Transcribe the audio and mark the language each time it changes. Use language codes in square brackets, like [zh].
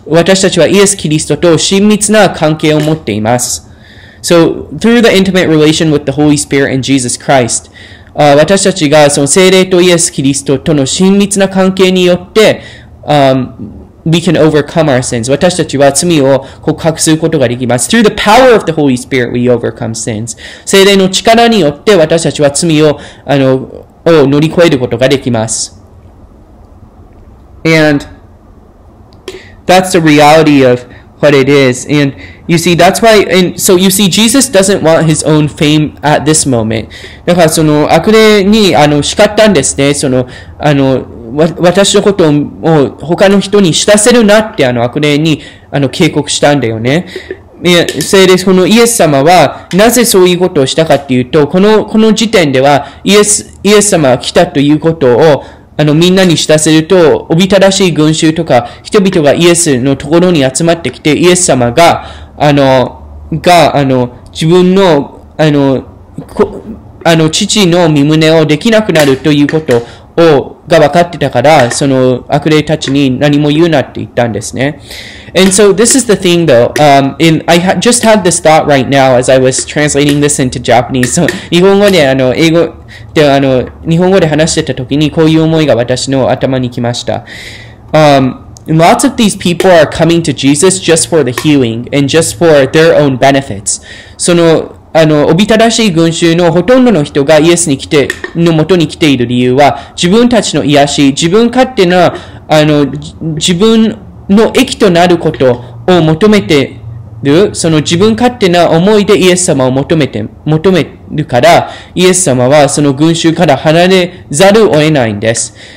[ja] 私たちはイエス・キリストと親密な関係を持っています。 [en] So, through the intimate relation with the Holy Spirit and Jesus Christ, [ja] 私たちがその聖霊とイエス・キリストとの親密な関係によって、 [en] we can overcome our sins. [ja] 私たちは罪を克服することができます。 [en] Through the power of the Holy Spirit, we overcome sins. [ja] 聖霊の力によって私たちは罪を、あの、を乗り越えることができます。And [en] that's the reality of what it is. And you see, that's why, and so you see, Jesus doesn't want his own fame at this moment. [ja] だからその悪霊に叱ったんですね。その私のことを他の人に知らせるなって悪霊に警告したんだよね。それでこのイエス様はなぜそういうことをしたかっていうと、この時点ではイエス様が来たということをみんなに知らせると、おびただしい群衆とか人々がイエスのところに集まってきて、イエス様が自分の父の身旨をできなくなるということをが分かってたから、その悪霊たちに何も言うなって言ったんですね。 [en] And so this is the thing though, just had this thought right now as I was translating this into Japanese. So [ja] 日本語で英語で日本語で話してた時にこういう思いが私の頭に来ました。 [en] Lots of these people are coming to Jesus just for the healing and just for their own benefits. [ja] そのおびただしい群衆のほとんどの人がイエスに来て、の元に来ている理由は、自分たちの癒し、自分勝手な、自分の益となることを求めて、その自分勝手な思いでイエス様を求めるから、イエス様はその群衆から離れざるを得ないんです。